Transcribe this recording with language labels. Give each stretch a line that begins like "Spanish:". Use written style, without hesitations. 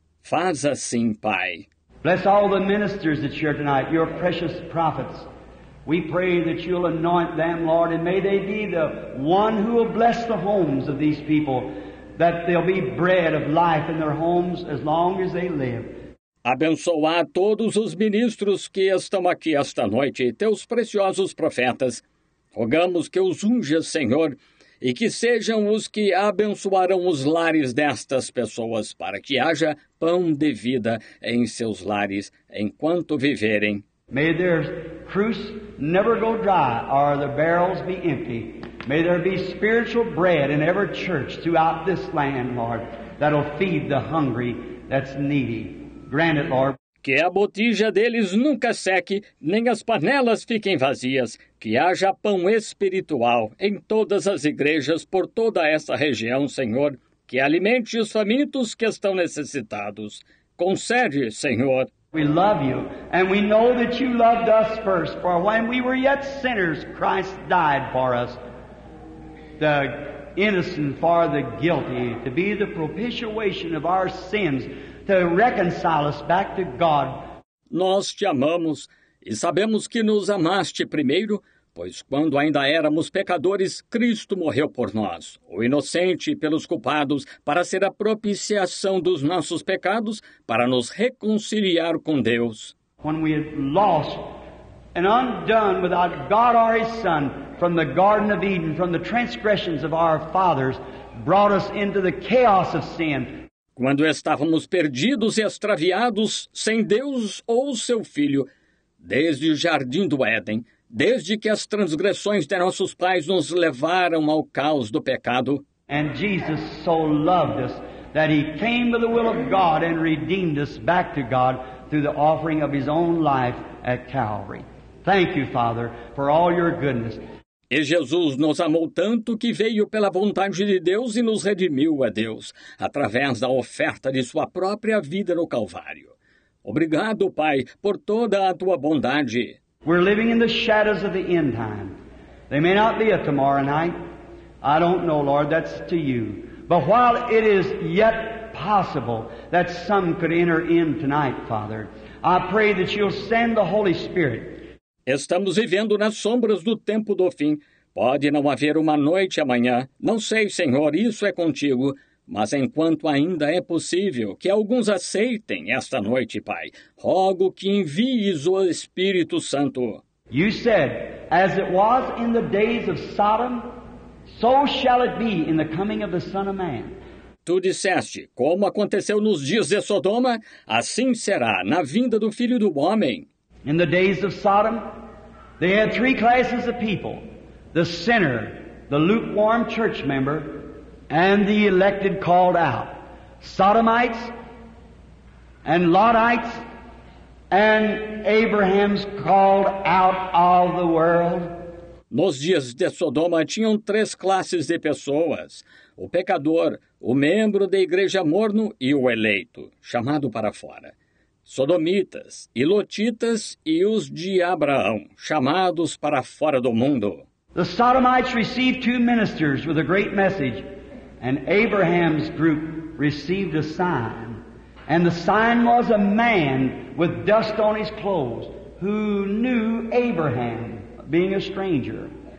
Portuguese: Faz assim, Pai.
English: Bless all the ministers that are here tonight, your precious prophets. We pray that you'll anoint them, Lord, and may they be the one who will bless the homes of these people, that there'll be bread of life in their homes as long as they live.
Portuguese: Abençoa a todos os ministros que estão aqui esta noite, teus preciosos profetas. Rogamos que os unjas, Senhor, e que sejam os que abençoarão os lares destas pessoas, para que haja pão de vida em seus lares enquanto viverem.
English: May their cruse never go dry, or their barrels be empty. May there be spiritual bread in every church throughout this land, Lord, that'll feed the hungry that's needy. Grant it, Lord.
Portuguese: Que a botija deles nunca seque, nem as panelas fiquem vazias. Que haja pão espiritual em todas as igrejas por toda essa região, Senhor. Que alimente os famintos que estão necessitados. Concede, Senhor.
English: We love you, and we know that you loved us first, for when we were yet sinners, Christ died for us. The innocent for the guilty, to be the propitiation of our sins, to reconcile us back to God.
Portuguese: Nós te amamos, e sabemos que nos amaste primeiro, pois quando ainda éramos pecadores, Cristo morreu por nós, o inocente pelos culpados, para ser a propiciação dos nossos pecados, para nos reconciliar com Deus.
English: When we had lost and undone without God or His Son from the Garden of Eden, from the transgressions of our fathers, brought us into the chaos of sin.
Portuguese: Quando estávamos perdidos e extraviados sem Deus ou seu Filho, desde o Jardim do Éden, desde que as transgressões de nossos pais nos levaram ao caos do pecado.
English: And Jesus so loved us that he came by the will of God and redeemed us back to God through the offering of his own life at Calvary. Thank you, Father, for all your goodness.
Portuguese: E Jesus nos amou tanto que veio pela vontade de Deus e nos redimiu a Deus, através da oferta de sua própria vida no Calvário. Obrigado, Pai, por toda a tua bondade.
English: We're living in the shadows of the end time. They may not be a tomorrow night. I don't know, Lord, that's to you. But while it is yet possible that some could enter in tonight, Father, I pray that you'll send the Holy Spirit.
Portuguese: Estamos vivendo nas sombras do tempo do fim. Pode não haver uma noite amanhã. Não sei, Senhor, isso é contigo. Mas enquanto ainda é possível que alguns aceitem esta noite, Pai, rogo que envies o Espírito Santo.
English: You said, as it was in the days of Sodom, so shall it be in the coming of the Son of Man.
Portuguese: Tu disseste, como aconteceu nos dias de Sodoma, assim será na vinda do Filho do Homem.
English: In the days of Sodom, they had three classes of people: the sinner, the lukewarm church member, and the elected called out. Sodomites, and Lotites, and Abraham's called out of the world.
Portuguese: Nos dias de Sodoma tinham três classes de pessoas: o pecador, o membro da igreja morno e o eleito, chamado para fora. Sodomitas e lotitas e os de Abraão, chamados para fora do mundo.
English: The Sodomites received two ministers with a great message, and Abraham's group received a sign. And the sign was a man with dust on his clothes who knew Abraham, being a stranger.